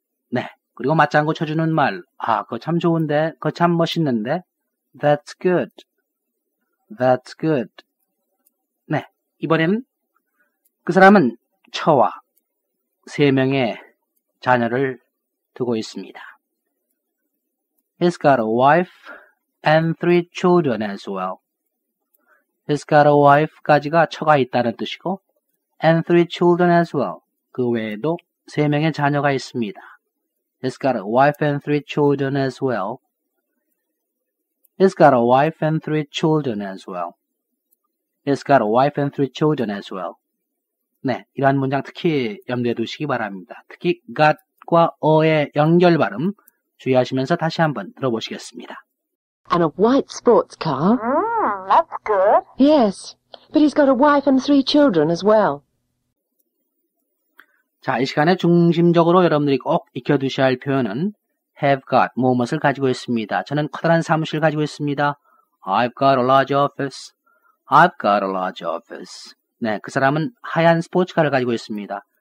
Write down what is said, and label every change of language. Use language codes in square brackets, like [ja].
[ko] 네, 그리고 맞장구 쳐주는 말. 아, 그거 참 좋은데, 그거 참 멋있는데. [en] That's good. That's good. [ko] 네, 이번에는 그 사람은 처와 세 명의 자녀를 두고 있습니다. [en] He's got a wife and three children as well. He's got a wife [ko] 까지가 처가 있다는 뜻이고 [en] and three children as well. [ko] 그 외에도 세 명의 자녀가 있습니다. [en] He's got a wife and three children as well. He's got a wife and three children as well. He's got a wife and three children as well. [ko] 네, 이러한 문장 특히 염두에 두시기 바랍니다. 특히 got과 어의 연결 발음 주의하시면서 다시 한번 들어보시겠습니다. [en] And a white sports car. That's good. Yes, but he's got a wife and three children as well. [ko] 자, 이 시간에 중심적으로 여러분들이 꼭 익혀두셔야 할 표현은 have got, 무엇을 가지고 있습니다. 저는 커다란 사무실을 가지고 있습니다. [en] I've got a large office. I've got a large office. [ko] 네, 그 사람은 하얀 스포츠카를 가지고 있습니다.